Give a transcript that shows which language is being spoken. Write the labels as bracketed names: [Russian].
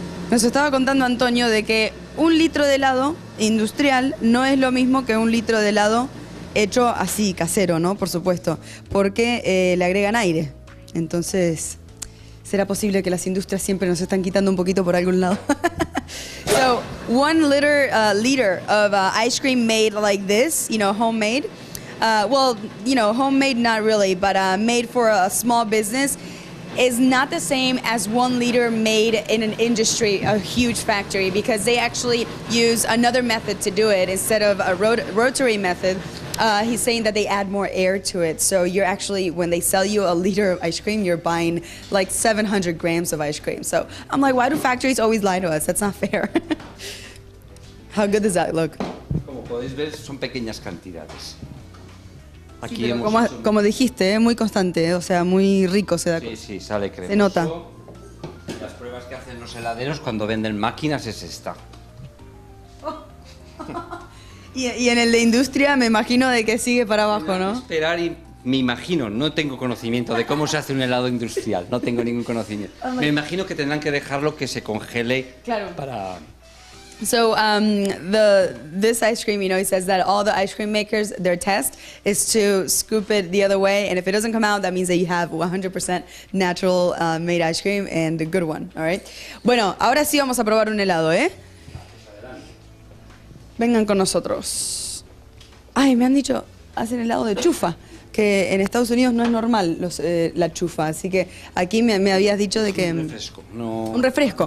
[Spanish] Nos estaba contando Antonio de que un litro de helado industrial no es lo mismo que un litro de helado hecho así, casero, ¿no? Por supuesto. Porque le agregan aire. Entonces, ¿será posible que las industrias siempre nos están quitando un poquito por algún lado? [English] So, one liter, liter of ice cream made like this, you know, homemade. Well, you know, homemade, not really, but made for a small business is not the same as 1 liter made in an industry, a huge factory, because they actually use another method to do it instead of a rotary method. He's saying that they add more air to it. So you're actually, when they sell you a liter of ice cream, you're buying like 700 grams of ice cream. So I'm like, why do factories always lie to us? That's not fair. How good does that look? [Spanish] Como podéis ver, son pequeñas cantidades. Aquí sí, pero como dijiste, muy constante, o sea, muy rico se da. Sí, sí, sale cremoso. Se nota. Las pruebas que hacen los heladeros cuando venden máquinas es esta. Y en el de industria me imagino de que sigue para abajo, ¿no? Esperar y Me imagino, no tengo conocimiento de cómo se hace un helado industrial, no tengo ningún conocimiento. Me imagino que tendrán que dejarlo que se congele para... [English] So this ice cream, you know, he says that all the ice cream makers, their test is to scoop it the other way, and if it doesn't come out, that means that you have 100% natural made ice cream and a good one, all right? [Spanish] Bueno, ahora sí vamos a probar un helado, ¿eh? Vengan con nosotros. Ay, me han dicho, hacen helado de chufa, que en Estados Unidos no es normal la chufa, así que aquí me habías dicho de que... Un refresco. No, ¿un refresco?